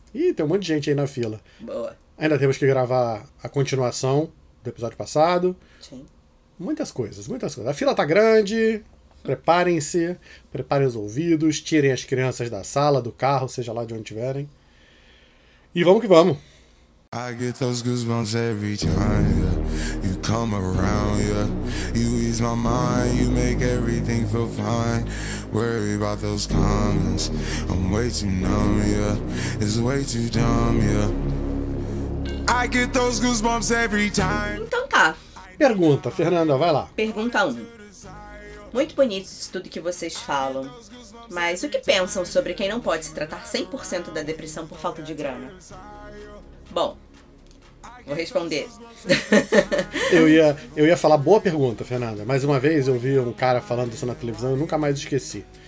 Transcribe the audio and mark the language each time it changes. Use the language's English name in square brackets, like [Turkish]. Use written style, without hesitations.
[Portuguese] Ih, tem um monte de gente aí na fila. Boa. Ainda temos que gravar a continuação do episódio passado. Sim. Muitas coisas. A fila tá grande. Preparem-se, preparem os ouvidos, tirem as crianças da sala, do carro, seja lá de onde estiverem. E vamos que vamos. [English] I get those goosebumps every time, yeah. You come around, yeah. You ease my mind, you make everything feel fine. Worry about those comments, I'm way too numb, yeah. It's way too dumb, yeah. I get those goosebumps every time. [Portuguese] Então tá. Pergunta, Fernanda, vai lá. Pergunta 1. Muito bonito isso tudo que vocês falam, mas o que pensam sobre quem não pode se tratar 100% da depressão por falta de grana? Bom, vou responder. Eu ia falar boa pergunta, Fernanda, mas uma vez eu vi um cara falando isso na televisão e nunca mais esqueci.